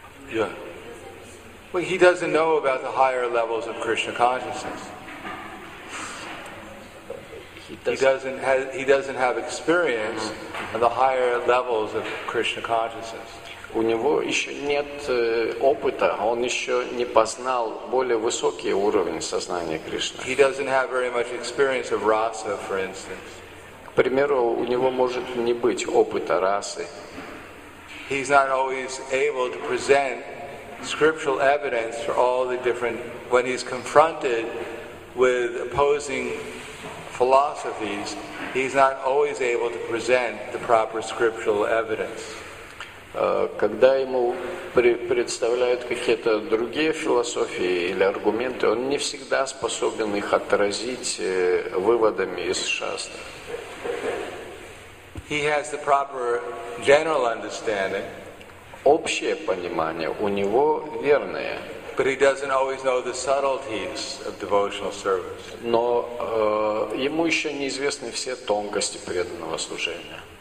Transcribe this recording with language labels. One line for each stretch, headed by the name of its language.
English: Yeah. Well, he doesn't know about the higher levels of Krishna consciousness. He doesn't have experience mm-hmm. on the higher levels of Krishna consciousness.
Russian: У него еще нет опыта, он еще не познал более высокие уровни сознания Кришны.
English: He doesn't have very much experience of rasa, for instance.
Russian: К примеру, у него может не быть опыта расы.
English: He's not always able to present scriptural evidence for all the different when he's confronted with opposing philosophies, he's not always able to present the proper scriptural evidence.
Russian: Когда ему представляют какие-то другие философии или аргументы, он не всегда способен их отразить выводами из шаст.
English: He has the proper general understanding.
Russian: Общее понимание у него верное.
English: But he doesn't always know the subtleties of devotional service.
Russian: Но ему еще неизвестны все тонкости преданного служения.